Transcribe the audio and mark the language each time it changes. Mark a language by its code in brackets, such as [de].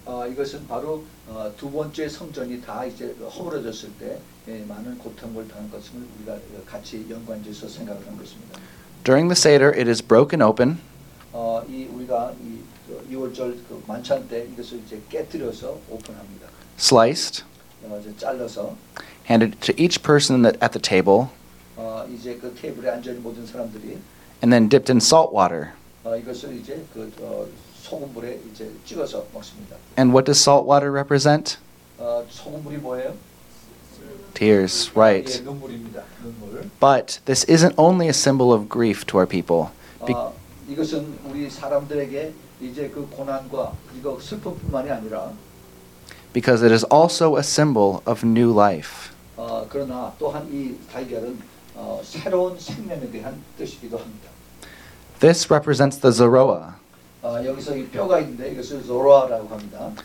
[ko] 이것은 바로 두 번째 성전이 다 이제 허물어졌을 때 많은 고통을 당한 것을 우리가 같이 연관지어서 생각을 한 것입니다. [en] During the Seder, it is broken open. [ko] 이 우리가 이 유월절 그 만찬 때 이것을 이제 깨뜨려서 오픈합니다. [en] Sliced. [ko] 이제 잘라서. [en] Handed to each person at the table. [ko] 이제 그 테이블에 앉아 있는 모든 사람들이. [en] And then dipped in salt water. [ko] 이것을 이제 그 소금물에 이제 찍어서 먹습니다. [en] And what does salt water represent? [ko] 소금물이 뭐예요? [en] Tears, right. [ko] 예, 눈물입니다. 눈물. [en] But this isn't only a symbol of grief to our people. [ko] 이것은 우리 사람들에게 이제 그 고난과 이거 슬픔뿐만이 아니라 [en] because it is also a symbol of new life. [ko] 그러나 또한 이 달걀은 새로운 생명에 대한 뜻이기도 합니다. [en] This represents the Zoroa. [ko] 여기서 이 뼈가 있는데 이것을 Zoroa라고 합니다.